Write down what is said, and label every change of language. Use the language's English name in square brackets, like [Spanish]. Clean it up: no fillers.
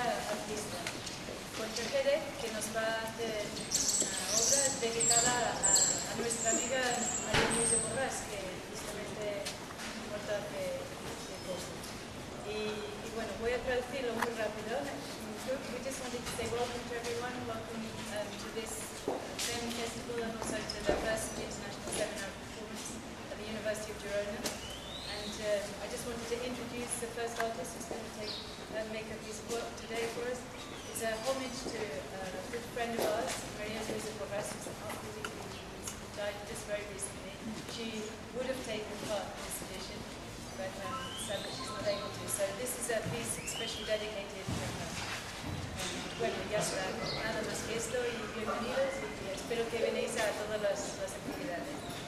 [Spanish] artista, Jorge Jere, que nos va a hacer una obra dedicada a nuestra amiga María Luisa Borrás, que justamente importa que poco. Y bueno, voy a traducirlo muy rápido. [English] We just wanted to say welcome to everyone, welcome to this film festival and also to the first international seminar performance at the University of Girona. And I just wanted to introduce the first artist who's going to take, make a piece of work today for us. It's a homage to a good friend of ours, Maria Luisa Borrás, who's an art critic who died just very recently. She would have taken part in this edition, but sadly she's not able to. So this is a piece especially dedicated to her. [Spanish] Bueno, ya está. Nada más que esto y bienvenidos y espero que venéis a todas las actividades.